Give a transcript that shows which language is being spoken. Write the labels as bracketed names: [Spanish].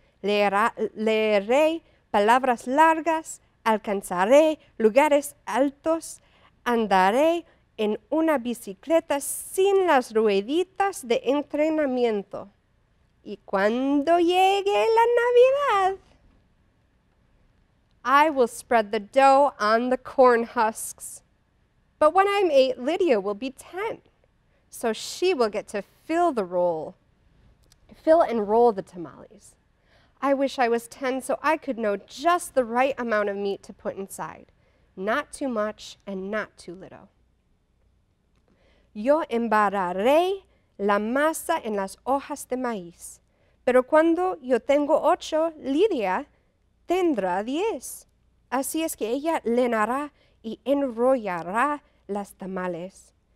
[Spanish] Leeré palabras largas, alcanzaré lugares altos, andaré en una bicicleta sin las rueditas de entrenamiento. Y cuando llegue la Navidad, [English] I will spread the dough on the corn husks. But when I'm 8, Lydia will be 10, so she will get to fill and roll the tamales. I wish I was 10 so I could know just the right amount of meat to put inside. Not too much and not too little. [Spanish] Yo embarraré la masa en las hojas de maíz. Pero cuando yo tengo 8, Lidia tendrá 10. Así es que ella llenará y enrollará las tamales.